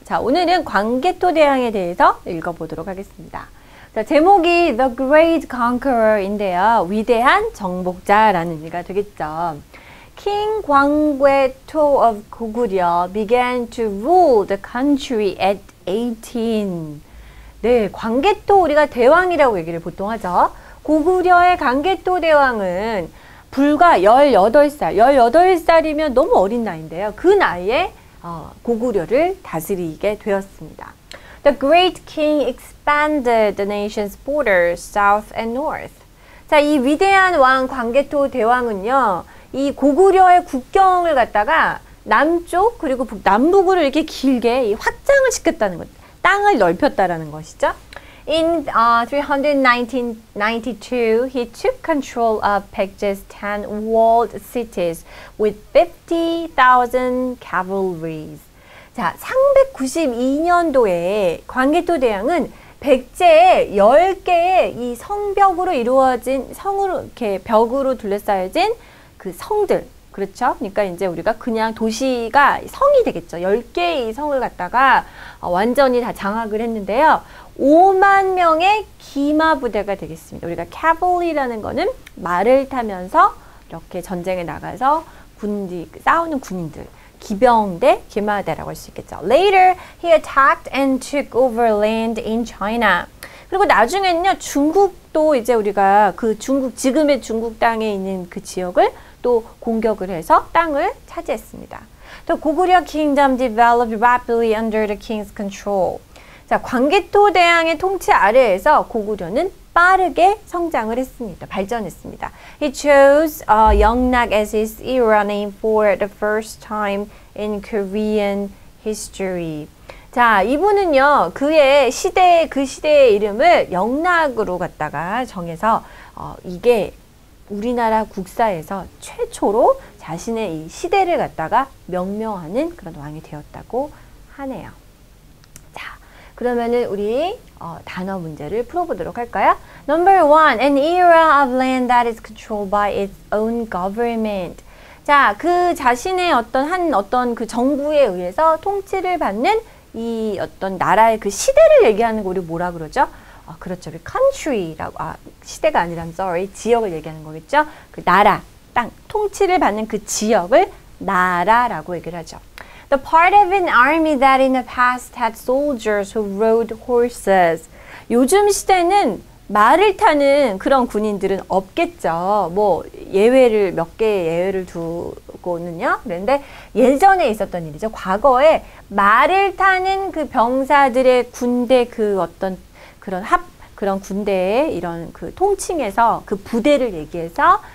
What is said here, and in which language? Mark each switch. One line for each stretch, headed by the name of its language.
Korean: 자, 오늘은 광개토대왕에 대해서 읽어보도록 하겠습니다. 자, 제목이
English: The Great Conqueror
Korean: 인데요. 위대한 정복자라는 의미가 되겠죠.
English: King 광개토 of 고구려 began to rule the country at 18.
Korean: 네, 광개토 우리가 대왕이라고 얘기를 보통 하죠. 고구려의 광개토 대왕은 불과 18살, 18살이면 너무 어린 나이인데요. 그 나이에 고구려를 다스리게 되었습니다.
English: The great king expanded the nation's borders south and north.
Korean: 자, 이 위대한 왕 광개토 대왕은요, 이 고구려의 국경을 갖다가 남쪽 그리고 남북으로 이렇게 길게 확장을 시켰다는 것, 땅을 넓혔다라는 것이죠.
English: In 392, he took control of Pegasus 10 walled cities with 50,000 cavalries.
Korean: 자, 392년도에 광개토 대왕은 백제의 10개의 이 성벽으로 이루어진 성으로 이렇게 벽으로 둘러싸여진 그 성들. 그렇죠? 그러니까 이제 우리가 그냥 도시가 성이 되겠죠. 10개의 성을 갖다가 완전히 다 장악을 했는데요. 5만 명의 기마 부대가 되겠습니다. 우리가 캐벌리라는 거는 말을 타면서 이렇게 전쟁에 나가서 군대 싸우는 군인들, 기병대, 기마대라고 할수 있겠죠.
English: Later, he attacked and took over land in China.
Korean: 그리고 나중에는요, 중국도 이제 우리가 그 중국, 지금의 중국 땅에 있는 그 지역을 또 공격을 해서 땅을 차지했습니다.
English: The Goguryeo Kingdom developed rapidly under the king's control.
Korean: 자, 광개토 대왕의 통치 아래에서 고구려는 빠르게 성장을 했습니다. 발전했습니다.
English: He chose Yeongnak as his era name for the first time in Korean history.
Korean: 자, 이분은요, 그의 시대, 그 시대의 이름을 영락으로 갖다가 정해서, 이게 우리나라 국사에서 최초로 자신의 이 시대를 갖다가 명명하는 그런 왕이 되었다고 하네요. 그러면은 우리 단어 문제를 풀어보도록 할까요?
English: Number one, an era of land that is controlled by its own government.
Korean: 자, 그 자신의 어떤 그 정부에 의해서 통치를 받는 이 어떤 나라의 그 시대를 얘기하는 거 우리 뭐라 그러죠? 그렇죠. 우리 country라고, 시대가 아니라 sorry, 지역을 얘기하는 거겠죠? 그 나라, 땅, 통치를 받는 그 지역을 나라라고 얘기를 하죠.
English: The part of an army that in the past had soldiers who rode horses.
Korean: 요즘 시대는 말을 타는 그런 군인들은 없겠죠. 뭐 예외를 몇개 예외를 두고는요. 그런데 예전에 있었던 일이죠. 과거에 말을 타는 그 병사들의 군대 그 어떤 그런 합 그런 군대의 이런 그 통칭에서 그 부대를 얘기해서.